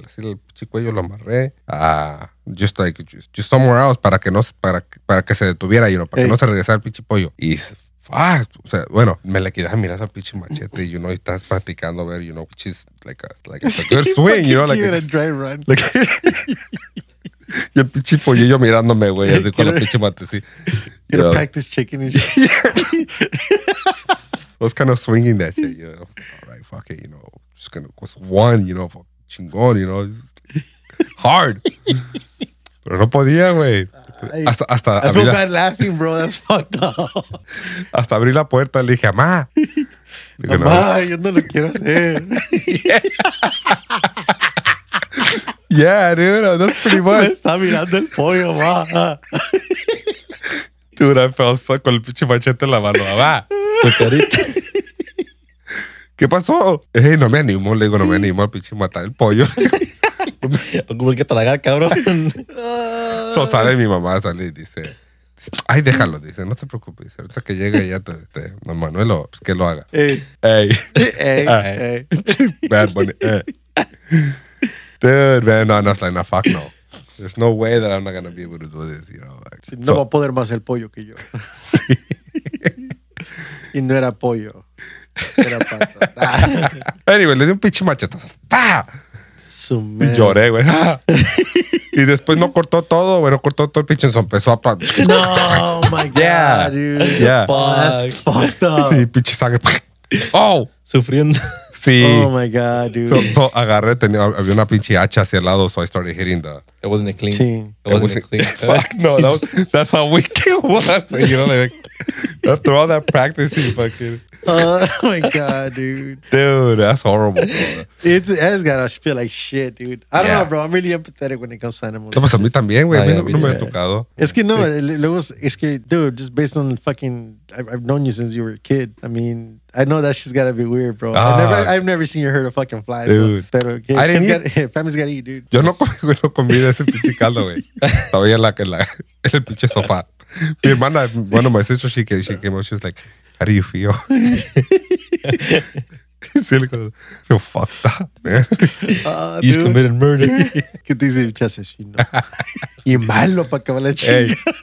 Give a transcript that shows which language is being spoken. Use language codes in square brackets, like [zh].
[es] Así el pinche cuello lo amarré. [en] Just somewhere else [es] para que se detuviera, [en] you know, [es] para que no se regresara el pinche pollo. Y... Ah, o sea, bueno, me le quedaba mirando al pinche machete, [en] you know, [es] y estás practicando a ver, you know, [en] which is like a good swing, you know, like a dry run. Like, [es] y el pinche pollillo mirándome, güey, así con el pinche machete, sí. [en] You know. Practice chicken and shit. I was kind of swinging that shit, you know. All right, fuck it, you know, just gonna cause one, you know, for chingón, you know, hard. [es] Pero no podía, güey. Hasta [en] I feel bad laughing, bro. That's fucked up. [es] Hasta abrí la puerta, le dije, amá. Digo, amá, no. Yo no lo quiero hacer. [en] Yeah, dude, that's pretty much. [es] Me está mirando el pollo, amá. [en] Dude, I felt so [es] con el pinche machete en la mano, amá. Su carita. ¿qué pasó? Hey, no me animo, le digo, no me animo al pinche matar el pollo. ¿Cómo que tragar, cabrón? So sale mi mamá, sale y dice, ay, déjalo, dice, no te preocupes, ahorita que llegue ya, don Manuel, pues que lo haga. Ey. Ey. Ey. [en] Bad Bunny. Dude, man, no, no, it's like, no, fuck no. There's no way that I'm not going to be able to do this, you know. Like, [es] sí, no va a poder más el pollo que yo. Y no era pollo. Era pato. Ah. Anyway, le di un pinche machetazo. ¡Pah! Su madre. Y lloré, güey. ¡Ah! Y después no cortó todo, güey. No cortó todo el pinche son. Empezó a... [en] No, my God, yeah, dude. Yeah. Yeah. Fuck. Fucked up. [es] Y pinche sangre. ¡Pah! ¡Oh! Sufriendo. Sí. [en] Oh my God, dude. [es] So agarré, tenía, había una pinche hacha hacia el lado, [en] so I started hitting the. It wasn't clean. [es] Sí. [en] It wasn't clean. Fuck no, that's how weak it was. You know, like, after all that practicing, fucking. Oh my God, dude. Dude, that's horrible, bro. It's gotta feel like shit, dude. I don't know, bro. I'm really empathetic when it comes to animals. [es] No, pues a mí también, güey. A mí no me ha tocado. Es que no, luego, es que, [en] dude, just based on fucking. I've known you since you were a kid. I mean, I know that shit's gotta be weird, bro. I've never seen you hurt a fucking fly, dude. So, pero, okay. Family's gotta eat, dude. [es] Yo no comí de ese pinche caldo, güey. Estaba en el pinche sofá. Mi hermana, bueno, [en] my sister, she came up, she was like, how do you feel? [es] Sí, le digo, [en] feel fucked up, man. He's committed murder. [es] ¿Qué te dice? Ya sé, chino. Y malo para acabar la chica. Hey.